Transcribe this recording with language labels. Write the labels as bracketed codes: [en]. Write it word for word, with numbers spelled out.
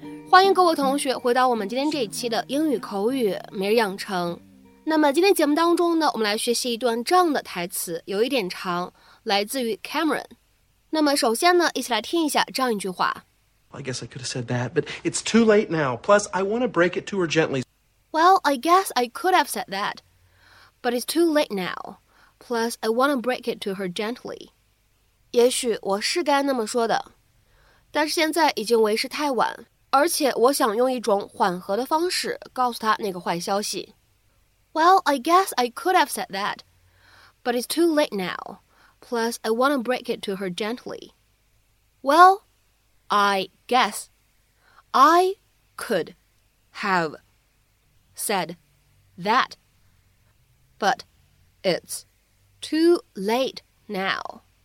[zh] 欢迎各位同学回到我们今天这一期的英语口语每日养成。那么今天节目当中呢，我们来学习一段这样的台词，有一点长，来自于 Cameron。那么首先呢，一起来听一下这样一句话。 [en] I guess I could have said that, but it's too late now. Plus, I want to break it to her gently. Well, I guess I could have said that, but it's too late now. Plus, I want to break it to her gently. [zh] 也许我是该那么说的，但是现在已经为时太晚，而且我想用一种缓和的方式告诉她那个坏消息。 [en] Well, I guess I could have said that, but it's too late now. Plus, I want to break it to her gently. Well, I guess I could have said that, but it's too late now.